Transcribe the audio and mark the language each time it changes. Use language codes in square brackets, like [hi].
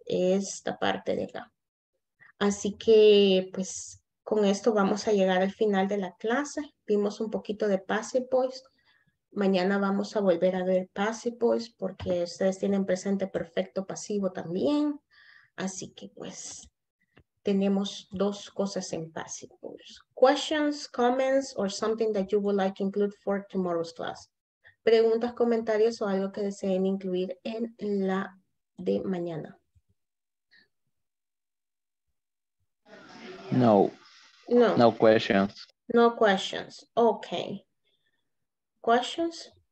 [es] Esta parte de acá. Así que, pues, con esto vamos a llegar al final de la clase. Vimos un poquito de passive voice. Mañana vamos a volver a ver passive voice porque ustedes tienen presente perfecto pasivo también. Así que, pues, tenemos dos cosas en passive voice. [en] Questions, comments, or something that you would like to include for tomorrow's class. [es] Preguntas, comentarios o algo que deseen incluir en la de mañana. [en] No. No. No questions. No questions. Okay. Questions?